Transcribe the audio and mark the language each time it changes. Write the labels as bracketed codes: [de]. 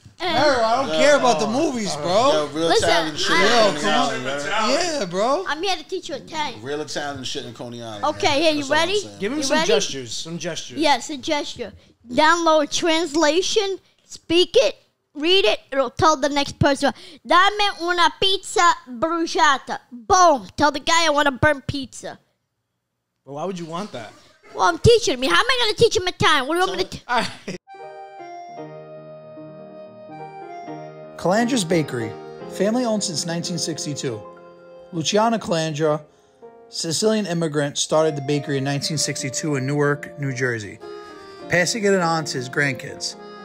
[en] Mara, I don't care about the movies, bro. Yo, real Italian shit in Coney Island. Yeah, bro. I'm here to teach you Italian. Real Italian shit in Coney Island. Okay, here, you ready? Give him some gestures. Some gestures. Yes, a gesture. Download translation, speak it, read it, it'll tell the next person. [it] Dammi una pizza bruciata. [en] Boom. Tell the guy I want a burnt pizza. Well, why would you want that? Well, I'm teaching me. How am I going to teach him a time? What do you want me to Calandra's Bakery, family owned since 1962. Luciana Calandra, Sicilian immigrant, started the bakery in 1962 in Newark, New Jersey, passing it on to his grandkids.